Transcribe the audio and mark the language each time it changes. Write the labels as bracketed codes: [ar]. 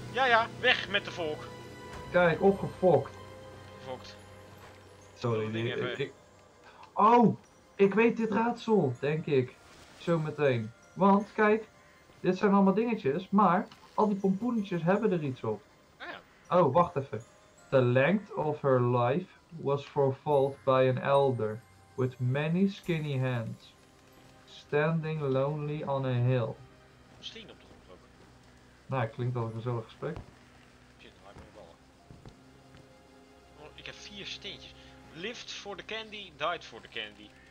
[nl] Ja. Weg met de volk. Kijk, opgefokt. Gefokt. Sorry, nee. Oh, ik weet dit raadsel, denk ik. Zo meteen. Want, kijk, dit zijn allemaal dingetjes, maar al die pompoenetjes hebben er iets op. Ah, ja. Oh, wacht even. [en] The length of her life was fulfilled by an elder with many skinny hands standing lonely on a hill. [nl] Steen op de grond ook. Nou, klinkt wel een gezellig gesprek. Shit, dan laat ik me ballen. Ik heb 4 steentjes. [en] Lived for the candy, died for the candy.